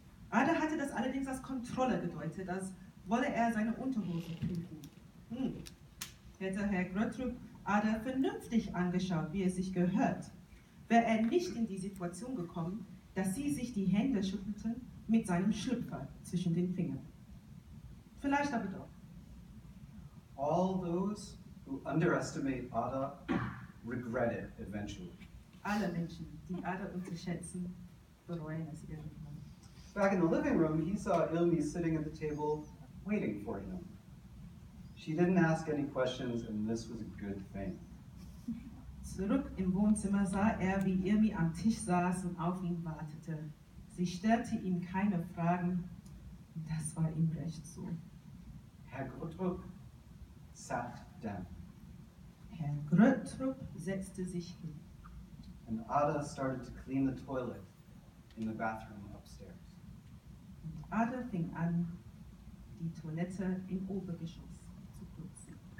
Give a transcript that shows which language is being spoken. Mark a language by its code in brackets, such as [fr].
[de] Ada hatte das allerdings als Kontrolle gedeutet, als wolle er seine Unterhose prüfen. Hätte Herr Grundtvig Ada vernünftig angeschaut, wie es sich gehört, wäre er nicht in die Situation gekommen, dass sie sich die Hände schüttelte mit seinem Schlüpfer zwischen den Fingern. Vielleicht aber doch. [en] All those who underestimate Ada regret it eventually. [de] Alle Menschen, die Ada unterschätzen, bereuen es irgendwann. [en] Back in the living room, he saw Ilmi sitting at the table, waiting for him. She didn't ask any questions, and this was a good thing. [de] Zurück im Wohnzimmer sah wie Ilmi am Tisch saß und auf ihn wartete. Sie stellte ihm keine Fragen, und das war ihm recht so. [en] Herr Grütrup sat down. [de] Herr Grütrup setzte sich hin. [en] And Ada started to clean the toilet in the bathroom upstairs. [de] Und Ada fing an, die Toilette im Obergeschoss zu putzen.